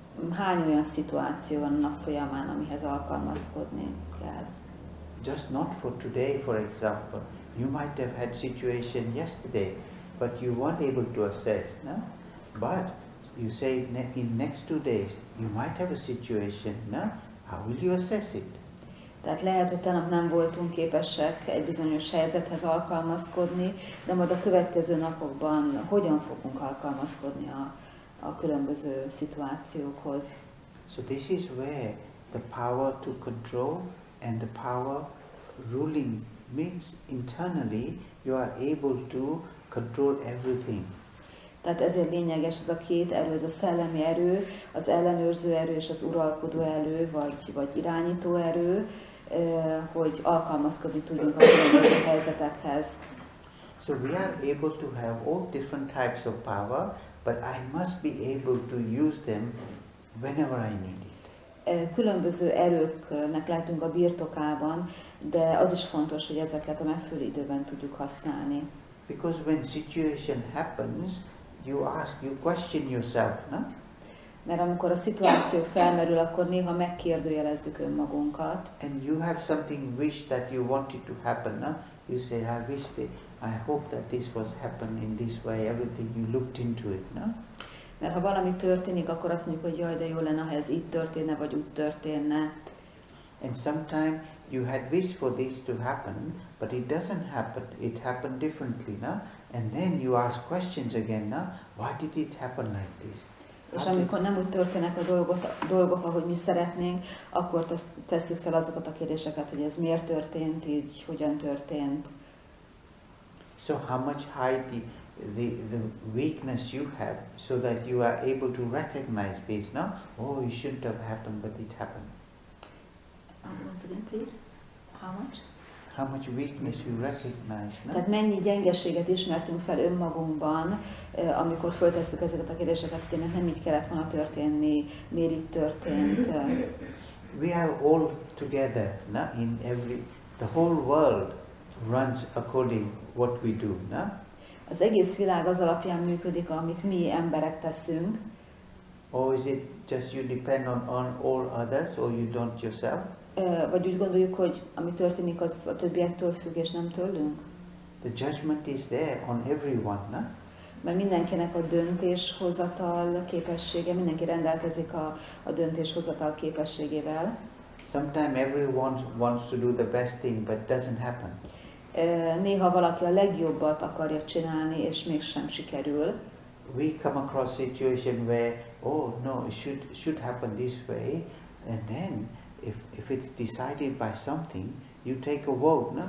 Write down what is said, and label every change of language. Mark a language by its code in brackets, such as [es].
[hu] Hány olyan szituáció van a nap folyamán, amihez alkalmazkodni kell? [en] Just not for today, for example. You might have had situation yesterday, but you weren't able to assess, no? But you say in next 2 days, you might have a situation, no? How will you assess it? [hu] Tehát lehet, hogy tegnap nem voltunk képesek egy bizonyos helyzethez alkalmazkodni, de majd a következő napokban hogyan fogunk alkalmazkodni a különböző szituációkhoz. [en] So this is where the power to control and the power ruling means internally you are able to control everything. [hu] Tehát ezért lényeges ez a két erő, ez a szellemi erő, az ellenőrző erő és az uralkodó erő vagy irányító erő, hogy alkalmazkodni tudjunk a különböző helyzetekhez. [en] So we are able to have all different types of power, but I must be able to use them whenever I need it. [hu] Különböző erőknek lehetünk a birtokában, de az is fontos, hogy ezeket a megfelelő időben tudjuk használni. [en] Because when situation happens, you ask, you question yourself, no? [hu] Mert amikor a szituáció felmerül, akkor néha megkérdőjelezzük önmagunkat. [en] And you have something wish that you wanted to happen, no? You say, I wish that, I hope that this was happen in this way, everything you looked into it, no? [hu] Mert ha valami történik, akkor azt mondjuk, hogy jaj, de jó lenne, ha ez itt történne, vagy úgy történne. [en] And sometimes you had wished for this to happen, but it doesn't happen, it happened differently, no? And then you ask questions again, no? Why did it happen like this? [hu] És amikor nem úgy történnek a dolgok, ahogy mi szeretnénk, akkor tesszük fel azokat a kérdéseket, hogy ez miért történt, így hogyan történt. [en] So how much height the weakness you have, so that you are able to recognize this, no? Oh, it shouldn't have happened, but it happened. Once again, please. How much? How much weakness you recognize, no? [hu] Tehát mennyi gyengeséget ismertünk fel önmagunkban, amikor föltesszük ezeket a kérdéseket, hogy nem így kellett volna történni, miért így történt. [en] We are all together, no? In every, the whole world runs according what we do, no? [hu] Az egész világ az alapján működik, amit mi emberek teszünk. [en] Or is it just you depend on all others, or you don't yourself? [hu] Vagy úgy gondoljuk, hogy ami történik, az a többiektől függ, és nem tőlünk? [en] The judgment is there on everyone, no? [hu] Mert mindenkinek a döntéshozatal képessége, mindenki rendelkezik a döntéshozatal képességével. [en] Sometimes everyone wants to do the best thing, but doesn't happen. [hu] Néha valaki a legjobbat akarja csinálni, és mégsem sikerül. [en] We come across situation where, oh no, it should happen this way, and then if it's decided by something, you take a vote, no?